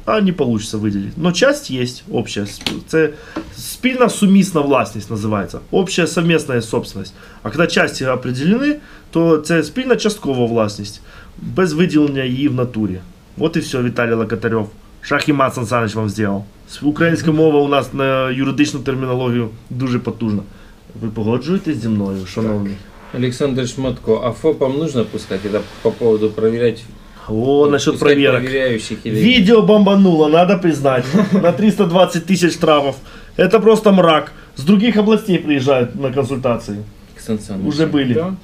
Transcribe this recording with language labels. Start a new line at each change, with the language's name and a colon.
Russian: А не получится выделить. Но часть есть общая. Это спільно-сумісная власність называется. Общая совместная собственность. А когда части определены, то это спільно-частковая власність. Без выделения ее в натуре. Вот и все, Виталий Локотарев. Шах и мат, Сан Саныч вам сделал. Украинская мова у нас на юридичную терминологию
Ukrainian: дуже потужна. Вы погоджуетесь зі мною, шановні?
Russian: Александр Шматко, а ФОПам нужно пускать? Это по поводу проверять. О, насчет проверок. Проверяющих или... Видео бомбануло, надо признать. На 320 тысяч штрафов. Это просто мрак. С других областей приезжают на консультации. Александр Александрович. Уже были.